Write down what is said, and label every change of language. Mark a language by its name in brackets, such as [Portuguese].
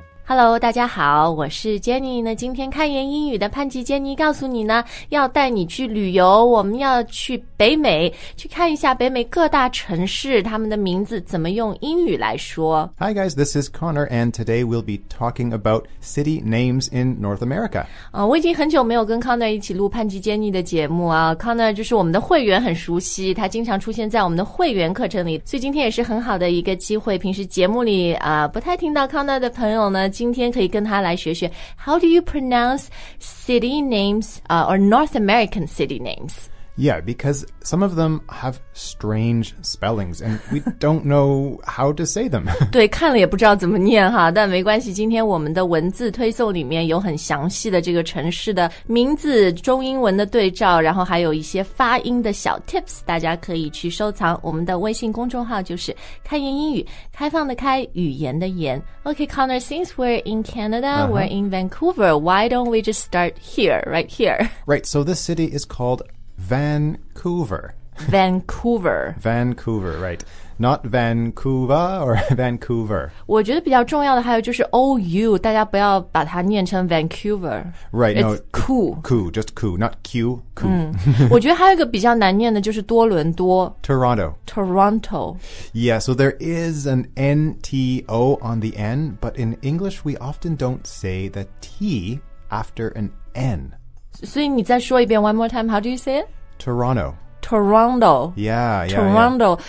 [Chinese] Hello, 大家好，我是 Jenny。那今天开言英语的潘吉 Jenny 告诉你呢，要带你去旅游，我们要去北美，去看一下北美各大城市，他们的名字怎么用英语来说。 [English] Hi guys, this is Connor, and today we'll be talking about city names in North America. [Chinese] 我已经很久没有跟 Connor 一起录潘吉 Jenny 的节目啊。 Connor 就是我们的会员，很熟悉，他经常出现在我们的会员课程里，所以今天也是很好的一个机会，平时节目里不太听到 Connor 的朋友呢，今天可以跟他来学学 [English] How do you pronounce city names, or North American city names? Yeah, because some of them have strange spellings and we don't know how to say them. [Chinese] 对，看了也不知道怎么念哈，但没关系，今天我们的文字推送里面有很详细的这个城市的名字，中英文的对照，然后还有一些发音的小 tips, 大家可以去收藏。我们的微信公众号就是开言英语，开放的开，语言的言。 [English] Okay, Connor, since we're in Canada,、uh-huh. we're in Vancouver, why don't we just start here, right here? Right, so this city is called Vancouver. Vancouver. Vancouver, right. Not Vancouver or Vancouver. [Chinese] 我觉得比较重要的还有就是 OU, 大家不要把它念成 Vancouver. [English] Right, it's no. It's cool. Cool, just cool, not Q, cool.、 [Chinese] 嗯、我觉得还有一个比较难念的就是多伦多。 [English] Toronto. Toronto. Yeah, so there is an N-T-O on the N, but in English we often don't say the T after an N. [Chinese] 所以你再说一遍 [English] one more time, how do you say it? Toronto. Toronto. Yeah, yeah, Toronto.